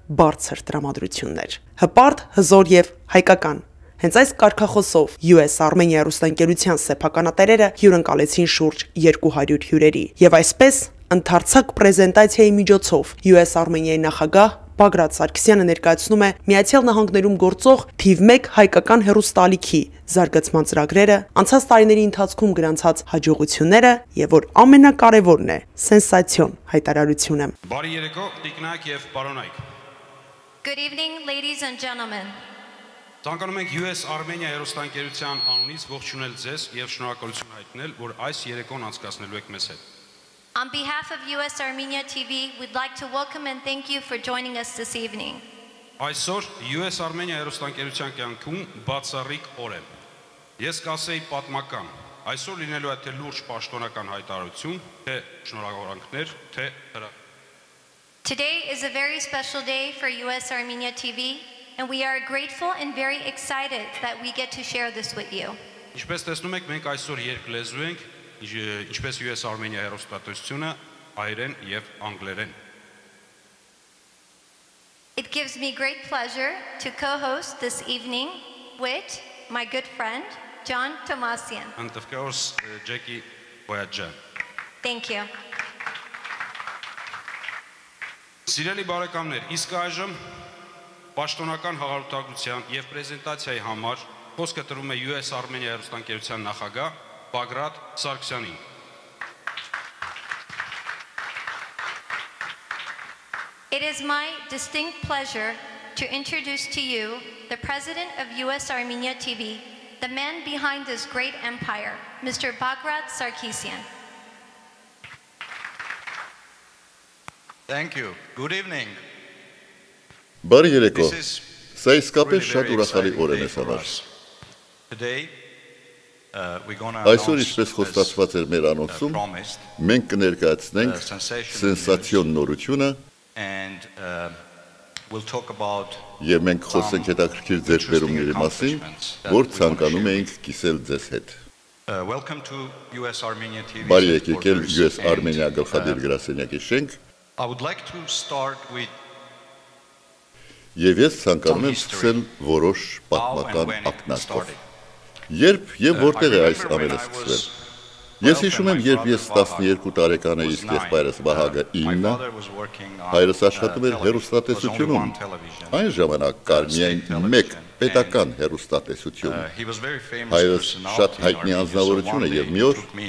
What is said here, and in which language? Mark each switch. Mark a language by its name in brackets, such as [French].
[Armenian] բարձր տրամադրություններ։ Հպարտ, հզոր եւ հայկական։ Հենց այս կարգախոսով US Armenia ռուսանկերության սեփականատերերը հյուրընկալեցին շուրջ 200 հյուրերի, եւ այսպես ընթարցակ պրեզենտացիայի միջոցով US Armenia-ի նախագահ Բագրատ Սարգսյանը ներկայացնում է Միացյալ Նահանգներում գործող թիվ 1 հայկական հեռուստալիքի զարգացման ծրագրերը, անցած տարիների ընթացքում գրանցած հաջողությունները եւ որ ամենակարևորն է սենսացիոն հայտարարությունը։ Բարի երեկո, տիկնակ եւ պարոնայք։ [English] Good evening ladies and gentlemen. [Armenian] Ցանկանում ենք US Armenia հեռուստանկերության անունից ողջունել ձեզ եւ շնորհակալություն հայտնել, որ այս երեկոն անցկացնելու եք մեզ հետ։ [English] On behalf of US Armenia TV, we'd like to welcome and thank you for joining us this evening. [Armenian] Այսօր US Armenia հեռուստանկերության կյանքում բացառիկ օր է։ Ես կասեի պատմական։ Այսօր լինելու է թե լուրջ պաշտոնական հայտարարություն, թե շնորհակալանքներ, թե [English] Today is a very special day for US Armenia TV, and we are grateful and very excited that we get to share this with you. [Armenian] Ինչպես տեսնում եք, մենք այսօր երկլեզու ենք, ինչպես US Armenia հեռուստատեսությունը, հայերեն եւ անգլերեն։ [English] It gives me great pleasure to co-host this evening with my good friend John Tomasian. And of course, Jackie Boyadze. Thank you. [Armenian] Սիրելի բարեկամներ, իսկ այժմ պաշտոնական հաղորդակցության եւ պրեզենտացիայի համար խոսքը տրվում է US Armenia հեռուստանկերության նախագահ Բագրատ Սարգսյանին։ [English] It is my distinct pleasure to introduce to you the president of US Armenia TV, the man behind this great empire, Mr. Bagrat Sarkisian. Thank you. Good evening. [Armenian] Բարի երեկո։ Սա իսկապես շատ ուրախալի օր է մեզ համար։ [English] Today, [Armenian] Այսօր ինչպես խոստացված էր մեր անոնսում, մենք կներկայացնենք սենսացիոն նորությունը, [English] and we'll talk about [Armenian] Եմ մենք խոսենք հետաքրքիր ձեռքբերումների մասին, որ ցանկանում ենք կիսել ձեզ հետ։ [English] Welcome to US Armenia TV. [Armenian] Բարի եկել US Armenia գլխադիր գրասենյակի շենք։ [English] I would like to start with [Armenian] Եվ ես ցանկանում եմ սկսել որոշ պատմական ակնարկով։ Երբ եւ որտեղ է այս ամենը սկսվել։ Ես հիշում եմ, երբ ես 12 տարեկան էի, իսկ եղբայրս Վահագը 9-ը, հայրս աշխատում էր հեռուստատեսությունում։ Այն ժամանակ կար միայն մեկ պետական հեռուստատեսություն։ Հայրս շատ հայտնի անձնավորություն է եւ մի օր